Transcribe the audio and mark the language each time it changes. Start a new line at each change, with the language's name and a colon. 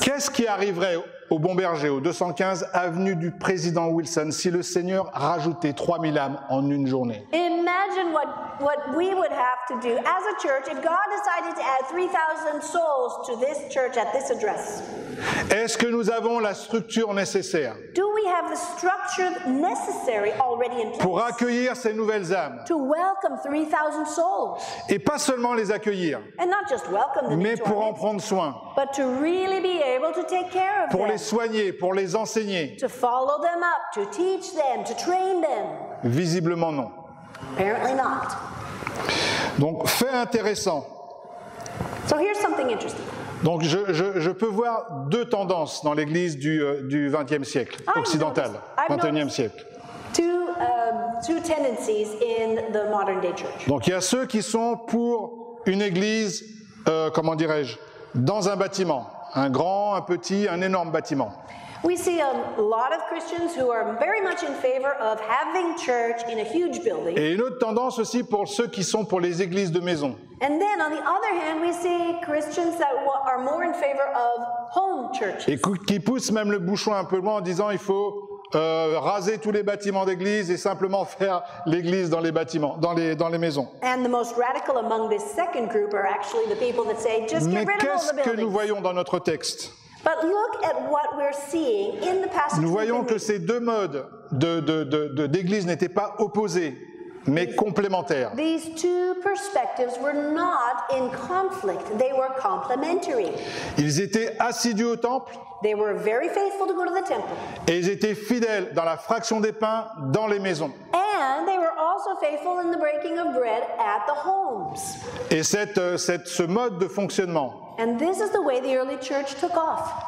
French: Qu'est-ce qui arriverait au Bon Berger, au 215 avenue du Président Wilson, si le Seigneur rajoutait 3000 âmes en une journée?
English: Imagine what we would have to do as a church if God decided to add 3000 souls to this church at this address.
French: Est-ce que nous avons la structure nécessaire?
English: Do we have the structure necessary already in place?
French: Pour accueillir ces nouvelles âmes.
English: To welcome 3000 souls.
French: Et pas seulement les accueillir.
English: And not just welcome them.
French: Mais pour en prendre soin.
English: But to really be able to take care of them.
French: Pour les soigner, pour les enseigner.
English: To follow them up, to teach them, to train them.
French: Visiblement non.
English: Apparently not.
French: Donc, fait intéressant.
English: So here's something interesting.
French: Donc, je peux voir deux tendances dans l'Église du 20e siècle occidentale, 21e siècle.
English: Two tendencies in the modern day church.
French: Donc, il y a ceux qui sont pour une Église, comment dirais-je, dans un bâtiment, un grand, un petit, un énorme bâtiment.
English: We see a lot of Christians who are very much in favor of having church in a huge building.
French: Et une autre tendance aussi pour ceux qui sont pour les églises de maison.
English: And then on the other hand, we see Christians that are more in favor of home churches.
French: Et qui poussent même le bouchon un peu loin en disant il faut raser tous les bâtiments d'église et simplement faire l'église dans les bâtiments, dans les maisons.
English: And the most radical among this second group are actually the people that say just get rid of all the buildings.
French: Mais qu'est-ce que nous voyons dans notre texte?
English: But look at what we're seeing in the passage.
French: Nous voyons que ces deux modes d'église n'étaient pas opposés, mais complémentaires.
English: These two perspectives were not in conflict, they were complementary.
French: Ils étaient assidus au temple.
English: They were very faithful to go to the temple.
French: Et ils étaient fidèles dans la fraction des pains dans les maisons.
English: And they were also faithful in the breaking of bread at the homes.
French: Et ce mode de fonctionnement
English: And this is the way the early church took off.